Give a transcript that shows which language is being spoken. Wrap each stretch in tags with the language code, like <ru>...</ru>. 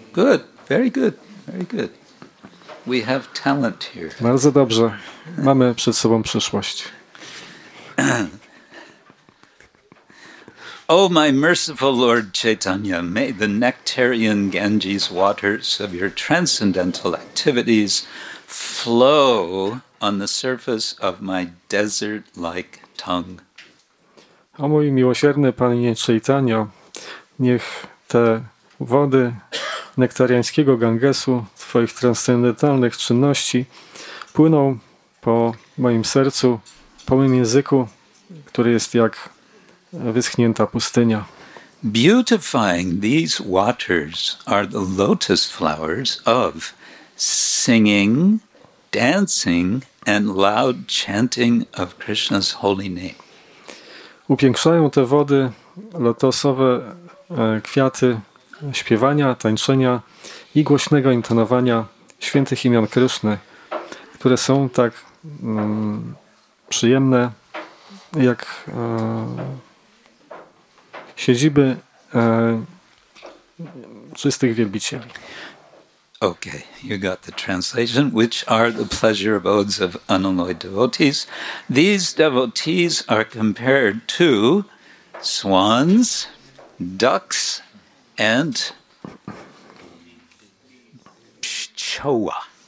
<en>Good, very good, very good. We have talent here.</en> <pl>Bardzo dobrze. Mamy przed sobą przyszłość.</pl> <en>Oh, my merciful Lord Chaitanya, may the nectarian Ganges waters of your transcendental activities flow on the surface of my desert-like tongue.</en> <pl>O mój miłosierny Panie Chaitanyo, niech te wody nektariańskiego Gangesu, twoich transcendentalnych czynności płyną po moim sercu, po moim języku, który jest jak wyschnięta pustynia.</pl> <en>Beautifying these waters are the lotus flowers of singing, dancing and loud chanting of Krishna's holy name.</en> <pl>Upiększają te wody lotosowe kwiaty śpiewania, tańczenia i głośnego intonowania świętych imion Kryszny, które są tak przyjemne jak siedziby czystych wielbicieli.</pl> <en>Okay, you got the translation. Which are the pleasure abodes of unalloyed devotees? These devotees are compared to swans, ducks, and pszczoła.</en>